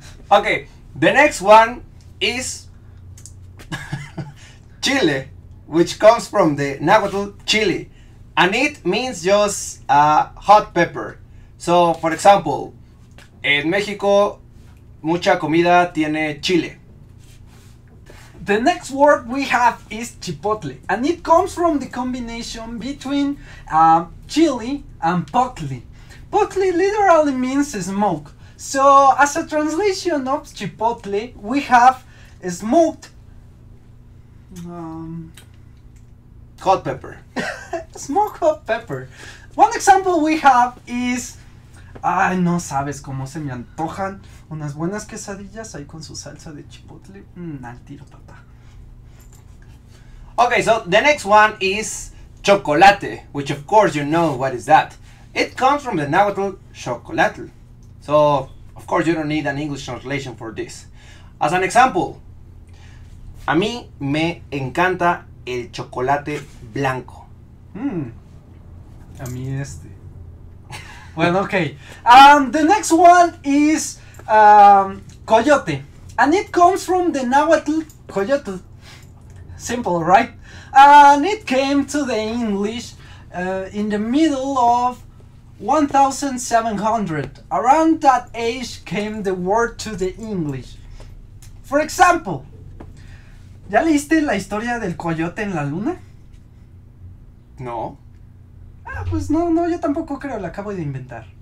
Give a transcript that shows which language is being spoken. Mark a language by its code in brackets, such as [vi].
[en] Okay, the next one is chile, which comes from the Nahuatl chili, and it means just hot pepper. So, for example, [es] en México, mucha comida tiene chile. [en] The next word we have is chipotle, and it comes from the combination between chili and potli. Potli literally means smoke. So, as a translation of chipotle, we have smoked hot pepper. Smoked hot pepper. One example we have is, [es] ay, no sabes cómo se me antojan unas buenas quesadillas ahí con su salsa de chipotle. Al tiro, papá. [en] Okay, so the next one is chocolate, which of course you know what is that. It comes from the Nahuatl chocolatl. So, of course, you don't need an English translation for this. As an example, [es] a mí me encanta el chocolate blanco. A mí este. [en] Well, okay. The next one is coyote. And it comes from the Nahuatl coyote. Simple, right? And it came to the English in the middle of 1700. Around that age came the word to the English. For example, [es] ¿ya leíste la historia del coyote en la luna? No. Ah, pues no, no, yo tampoco creo, la acabo de inventar.